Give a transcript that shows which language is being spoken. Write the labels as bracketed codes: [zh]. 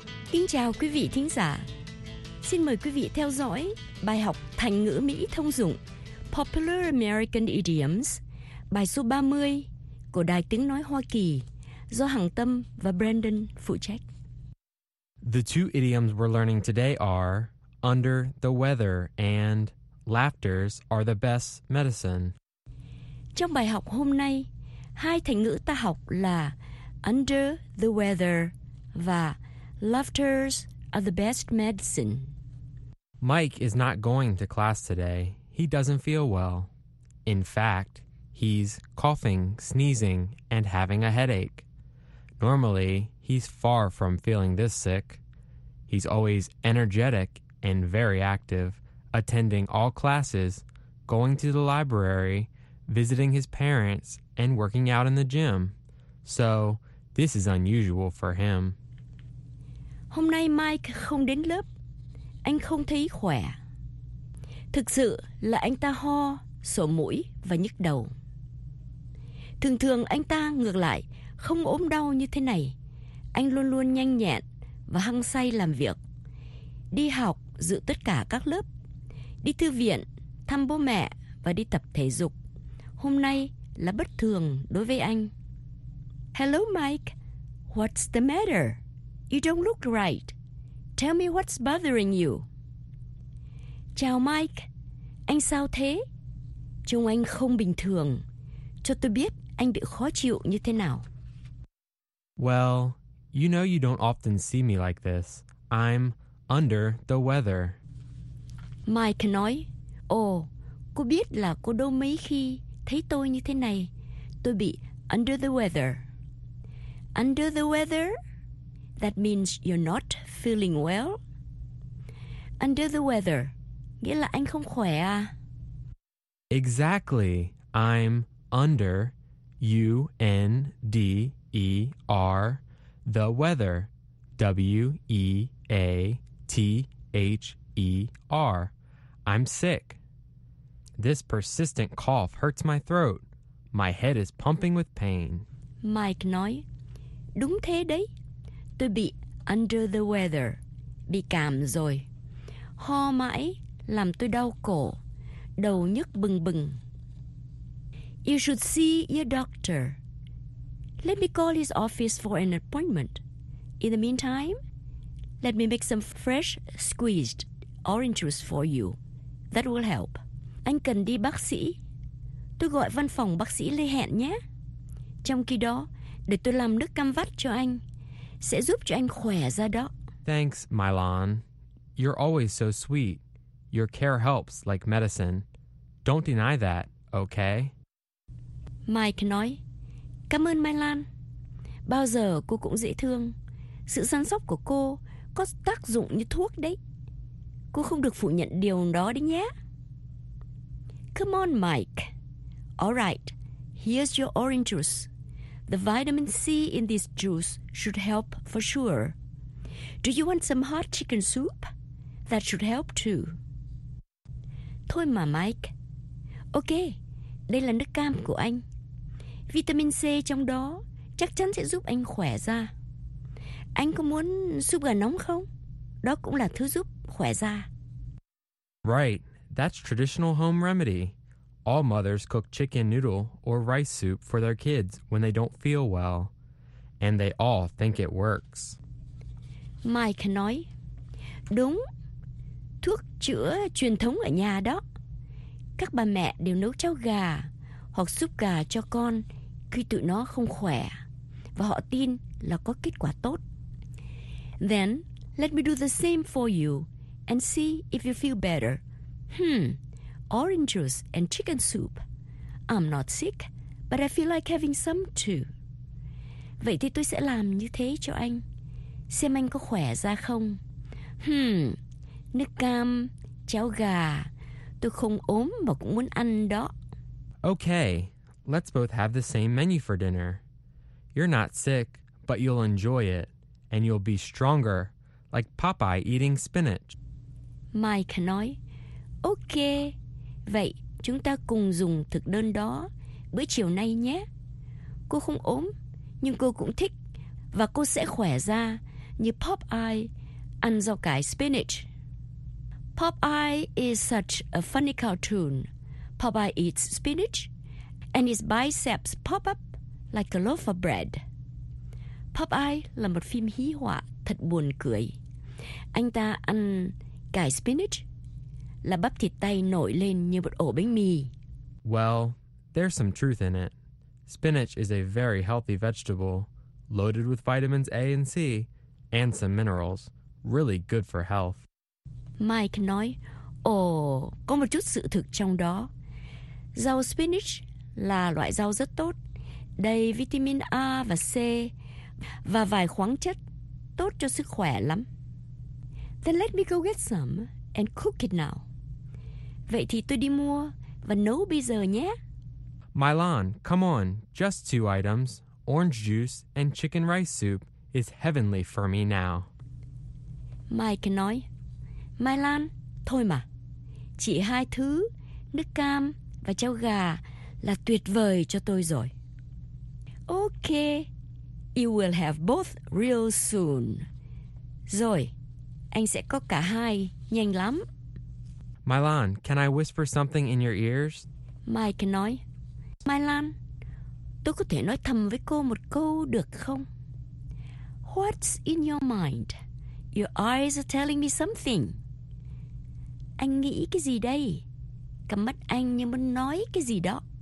[vi] Kính chào quý vị thính giả. Xin mời quý vị theo dõi bài học thành ngữ Mỹ thông dụng Popular American Idioms, bài số 30 của Đài Tiếng Nói Hoa Kỳ do Hằng Tâm và Brandon phụ trách. [en] The two idioms we're learning today are under the weather and laughters are the best medicine. [vi] Trong bài học hôm nay, hai thành ngữ ta học là [en] under the weather [vi] và [en] laughters are the best medicine. Mike is not going to class today. He doesn't feel well. In fact, he's coughing, sneezing, and having a headache. Normally, he's far from feeling this sick. He's always energetic and very active, attending all classes, going to the library, visiting his parents, and working out in the gym. So, this is unusual for him. [vi] Hôm nay Mike không đến lớp. Anh không thấy khỏe. Thực sự là anh ta ho, sổ mũi và nhức đầu. Thường thường anh ta ngược lại không ốm đau như thế này. Anh luôn luôn nhanh nhẹn và hăng say làm việc. Đi học, dự tất cả các lớp. Đi thư viện, thăm bố mẹ và đi tập thể dục. Hôm nay là bất thường đối với anh. [en] Hello Mike, what's the matter? You don't look right. Tell me what's bothering you. [vi] Chào Mike, anh sao thế? Trông anh không bình thường. Cho tôi biết anh bị khó chịu như thế nào. [en] Well, you know you don't often see me like this. I'm under the weather. [vi] Mike nói, ồ, cô biết là cô đâu mấy khi thấy tôi như thế này. Tôi bị [en] under the weather. Under the weather? That means you're not feeling well. Under the weather, [vi] nghĩa là anh không khỏe à? [en] Exactly. I'm under, U-N-D-E-R, the weather, W-E-A-T-H-E-R. I'm sick. This persistent cough hurts my throat. My head is pumping with pain. [vi] Mike nói, đúng thế đấy. Tôi bị [en] under the weather, [vi] bị cảm rồi. Ho mãi làm tôi đau cổ, đầu nhức bừng bừng. [en] You should see your doctor. Let me call his office for an appointment. In the meantime, let me make some fresh squeezed orange juice for you. That will help. [vi] Anh cần đi bác sĩ. Tôi gọi văn phòng bác sĩ Lê Hẹn nhé. Trong khi đó, để tôi làm nước cam vắt cho anh. Sẽ giúp cho anh khỏe ra đó. [en] Thanks, Mylon. You're always so sweet. Your care helps like medicine. Don't deny that, okay? [vi] Mike nói, cảm ơn Mylon. Bao giờ cô cũng dễ thương. Sự săn sóc của cô có tác dụng như thuốc đấy. Cô không được phủ nhận điều đó đấy nhé. [en] Come on, Mike. All right, here's your orange juice. The vitamin C in this juice should help for sure. Do you want some hot chicken soup? That should help too. [vi] Thôi mà Mike. Ok, đây là nước cam của anh. Vitamin C trong đó chắc chắn sẽ giúp anh khỏe ra. Anh có muốn súp gà nóng không? Đó cũng là thứ giúp khỏe da. [en] Right, that's traditional home remedy. All mothers cook chicken noodle or rice soup for their kids when they don't feel well. And they all think it works. [vi] Mike nói, đúng, thuốc chữa truyền thống ở nhà đó. Các bà mẹ đều nấu cháo gà hoặc súp gà cho con khi tụi nó không khỏe. Và họ tin là có kết quả tốt. [en] Then, let me do the same for you and see if you feel better. Orange juice and chicken soup. I'm not sick, but I feel like having some too. [vi] Vậy thì tôi sẽ làm như thế cho anh. Xem anh có khỏe ra không. Nước cam, cháo gà. Tôi không ốm mà cũng muốn ăn đó. [en] Okay, let's both have the same menu for dinner. You're not sick, but you'll enjoy it. And you'll be stronger, like Popeye eating spinach. [vi] Mike nói, okay, vậy chúng ta cùng dùng thực đơn đó bữa chiều nay nhé. Cô không ốm, nhưng cô cũng thích. Và cô sẽ khỏe ra như Popeye ăn rau cải spinach. [en] Popeye is such a funny cartoon. Popeye eats spinach, and his biceps pop up like a loaf of bread. [vi] Popeye là một phim hí họa thật buồn cười. Anh ta ăn cải spinach, là bắp thịt tay nổi lên như một ổ bánh mì. [en] Well, there's some truth in it. Spinach is a very healthy vegetable, loaded with vitamins A and C, and some minerals. Really good for health. [vi] Mike nói, ồ, có một chút sự thực trong đó. Rau spinach là loại rau rất tốt, đầy vitamin A và C, và vài khoáng chất tốt cho sức khỏe lắm. [en] Then let me go get some and cook it now. [vi] Vậy thì tôi đi mua và nấu bây giờ nhé. [en] Mylon, come on, just two items, orange juice and chicken rice soup is heavenly for me now. [vi] Mike nói, Mylon, thôi mà, chỉ hai thứ, nước cam và cháo gà là tuyệt vời cho tôi rồi. [en] Okay, you will have both real soon. [vi] Rồi, anh sẽ có cả hai nhanh lắm. [en] Mylon, can I whisper something in your ears? [vi] Mike nói, Mylon, tôi có thể nói thầm với cô một câu được không? [en] What's in your mind? Your eyes are telling me something. [vi] Anh nghĩ cái gì đây? Cặp mắt anh như muốn nói cái gì đó.